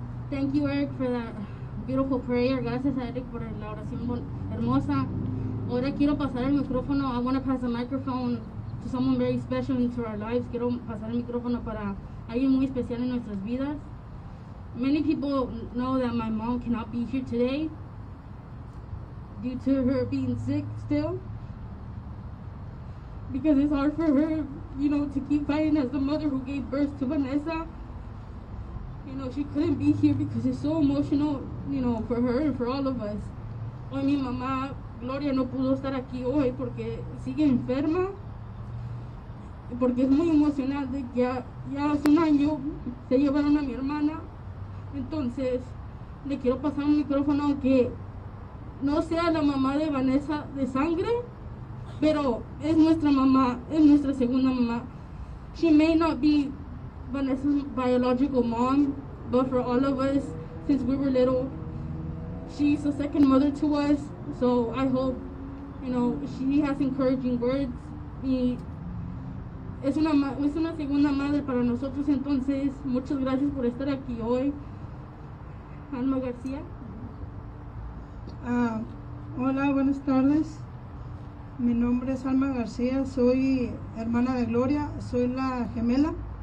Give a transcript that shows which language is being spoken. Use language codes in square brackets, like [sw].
[en] Thank you, Eric, for that beautiful prayer. [es] Gracias, Eric, por la oración hermosa. Ahora quiero pasar el micrófono. [en] I want to pass the microphone to someone very special into our lives. [es] Quiero pasar el micrófono para alguien muy especial en nuestras vidas. [en] Many people know that my mom cannot be here today due to her being sick still, because it's hard for her, you know, to keep fighting as the mother who gave birth to Vanessa. You know, she couldn't be here because it's so emotional, you know, for her and for all of us. [es] Hoy mi mamá Gloria no pudo estar aquí hoy porque sigue enferma. Porque es muy emocional, de que ya hace un año se llevaron a mi hermana. Entonces, le quiero pasar un micrófono, aunque no sea la mamá de Vanessa de sangre, pero es nuestra mamá, es nuestra segunda mamá. [en] She may not be Vanessa's biological mom, but for all of us, since we were little, she's a second mother to us. So I hope, you know, she has encouraging words. [es] Es una segunda madre para nosotros, entonces muchas gracias por estar aquí hoy. Alma García. Hola, buenas tardes. Mi nombre es Alma García, soy hermana de Gloria, soy la gemela.